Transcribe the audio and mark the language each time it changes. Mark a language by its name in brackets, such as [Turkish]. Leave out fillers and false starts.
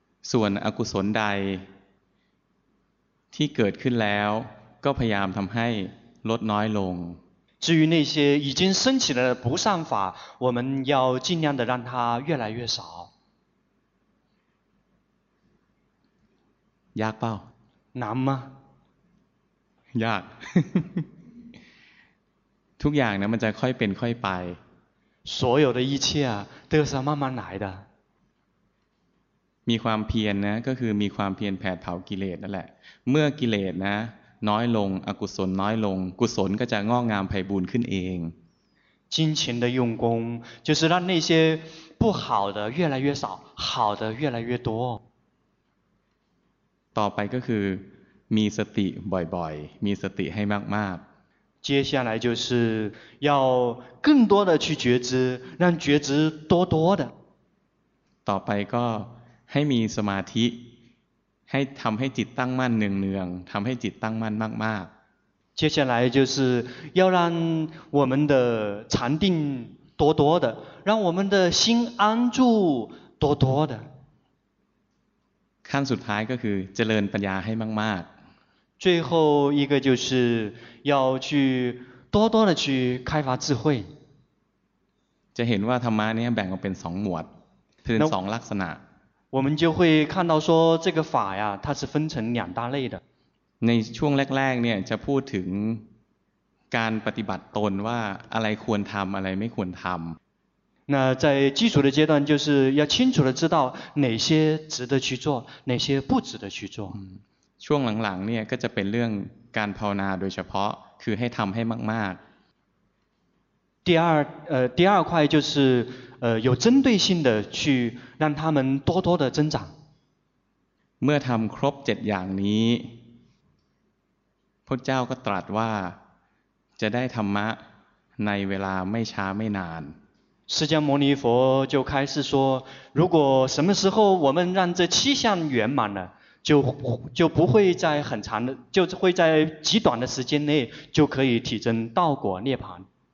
[Thai] ส่วนอกุศลใดที่เกิดขึ้นแล้วก็พยายามทำให้ลดน้อยลง [Chinese] 至于那些已经升起了不善法我们要尽量的让它越来越少 [Thai] ยากเปล่า น้ำมั้ย ยาก ทุกอย่างนะมันจะค่อยเป็นค่อยไป [Chinese] 所有的一切都是慢慢来的 [Thai] มีความเพียรนะก็คือมีความเพียรแผดเผากิเลสนั่นแหละเมื่อกิเลสนะน้อยลงอกุศลน้อยลงกุศลก็จะงอกงามไพบูลย์ขึ้นเอง [Chinese] 精勤的用功就是让那些不好的越来越少好的越来越多 [Thai] ต่อไปก็คือมีสติบ่อยๆมีสติให้มาก [Chinese] ๆ接下来就是要更多的去觉知让觉知多多的 [Thai] ต่อไปก็ให้มีสมาธิให้ทำให้จิตตั้งมั่นเนืองๆทำให้จิตตั้งมั่นมาก [Chinese] ๆ接下来就是要让我们的禅定多多的让我们的心安住多多的 [Thai] ขั้นสุดท้ายก็คือเจริญปัญญาให้มาก [Chinese] ๆ最后一个就是要去多多的去开发智慧 [Thai] จะเห็นว่าธรรมะนี้แบ่งออกเป็นสองหมวดเป็นสองลักษณะ [Chinese] 我们就会看到说这个法呀它是分成两大类的 [Thai] ในช่วงแรกๆเนี่ยจะพูดถึงการปฏิบัติตนว่าอะไรควรทำอะไรไม่ควรทำ [Chinese] 那在基础的阶段就是要清楚的知道哪些值得去做哪些不值得去做 [Thai] ช่วงหลังๆเนี่ยก็จะเป็นเรื่องการภาวนาโดยเฉพาะคือให้ทำให้มาก [Chinese] ๆ第二块就是有针对性的去让他们多多的增长 [Thai] เมื่อทำครบ7อย่างนี้พุทธเจ้าก็ตรัสว่าจะได้ธรรมะ ในเวลาไม่ช้าไม่นาน [Chinese] 释迦牟尼佛就开始说如果什么时候我们让这七相圆满了 就不会在很长的就会在极短的时间内就可以体证道果涅槃